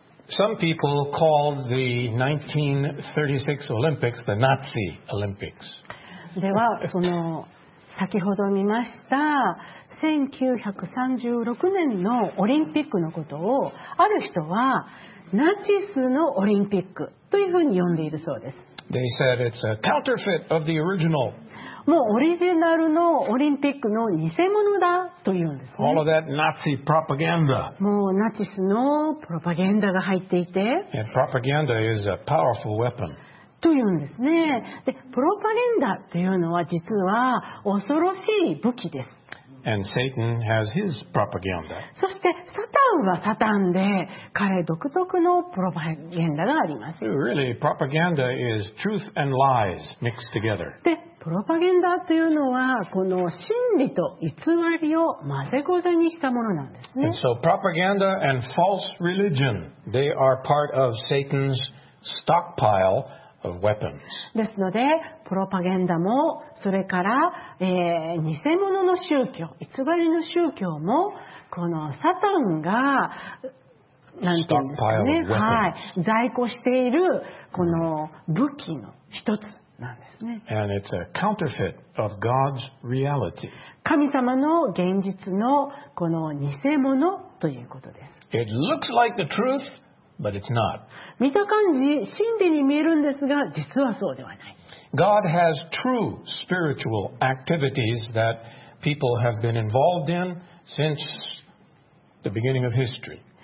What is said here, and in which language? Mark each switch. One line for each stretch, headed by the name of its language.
English: Some people call the 1936 Olympics the Nazi Olympics.
Japanese: では、その先ほど見ました1936年のオリンピックのことをある人はナチスのオリンピックというふうに呼んでいるそうです。
English: They said it's a counterfeit of the original.
Japanese: もうオリジナルのオリンピックの偽物だというんですね。
English: All of that Nazi propaganda.
Japanese: もうナチスのプロパガンダが入っていて。
English: And propaganda is a powerful weapon.
Japanese: というんですね。で、プロパガンダというのは実は恐ろしい武器です。
English: And Satan has his propaganda.
Japanese: そしてサタンはサタンで彼独特のプロパガンダがあります。
English: Really, propaganda is truth and lies mixed together.
Japanese: で、プロパガンダというのはこの真理と偽りを混ぜこぜにしたものなんですね。
English: And so propaganda and false religion, they are part of Satan's stockpile. Of weapons.
Japanese: ですのでプロパガンダもそれから、偽物の宗教偽りの宗教もこのサタンがなんて言うんですかね、はい、在庫しているこの武器の一つなんですね。
English: And it's a counterfeit of God's reality.
Japanese: 神様の現実のこの偽物ということです。
English: It looks like the truth. But it's not.
Japanese: 見た感じ真理に見えるんですが実はそうではない。
English: God has true spiritual activities that people have been involved in since the beginning of history.